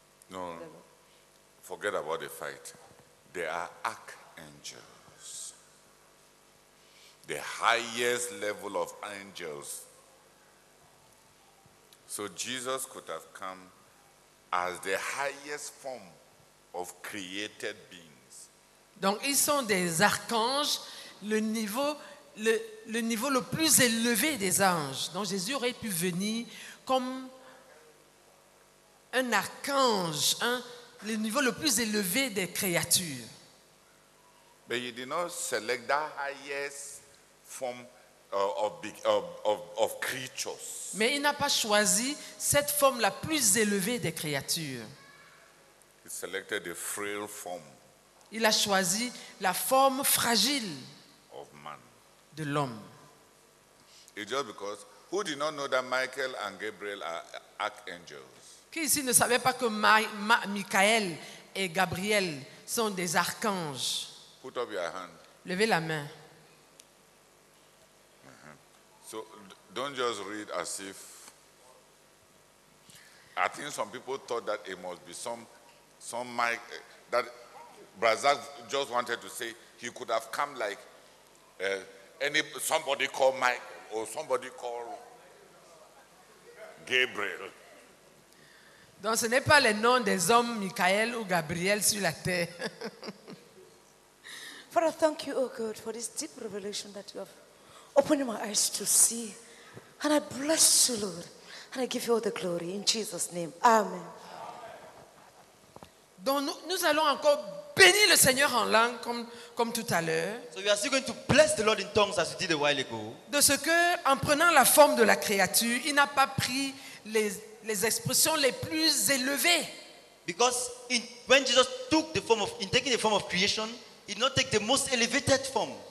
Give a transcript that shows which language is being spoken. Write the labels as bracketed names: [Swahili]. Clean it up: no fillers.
[English] No, forget about the fight. They are archangels. The highest level of angels. So Jesus could have come as the highest form of created beings. [French] Donc ils sont des archanges, le niveau le plus élevé des anges. Donc Jésus aurait pu venir comme un archange, hein, le niveau le plus élevé des créatures. [English] But he did not select that highest form of creatures. [French] Mais il n'a pas choisi cette forme la plus élevée des créatures. [English] He selected the frail form. [French] Il a choisi la forme fragile [English] of man. [French] De l'homme. [English] It's just because who did not know that Michael and Gabriel are archangels? [French] Qui ici ne savait pas que Michael et Gabriel sont des archanges? [English] Put up your hand. [French] Levez la main. [English] So don't just read as if. I think some people thought that it must be some Mike, that Brazak just wanted to say he could have come like somebody called Mike or somebody called Gabriel. [French] Donc ce n'est pas les noms des hommes Michael ou Gabriel sur la terre. [English] Father, thank you, oh God, for this deep revelation that you have opening my eyes to see. And I bless you, Lord. And I give you all the glory in Jesus' name. Amen. [French] Donc nous allons encore bénir le Seigneur en langue comme tout à l'heure. [English] So we are still going to bless the Lord in tongues as we did a while ago. [French] De ce que, en prenant la forme de la créature, il n'a pas pris les expressions les plus élevées. [English] Because when Jesus took the form of, in taking the form of creation, he did not take the most elevated form.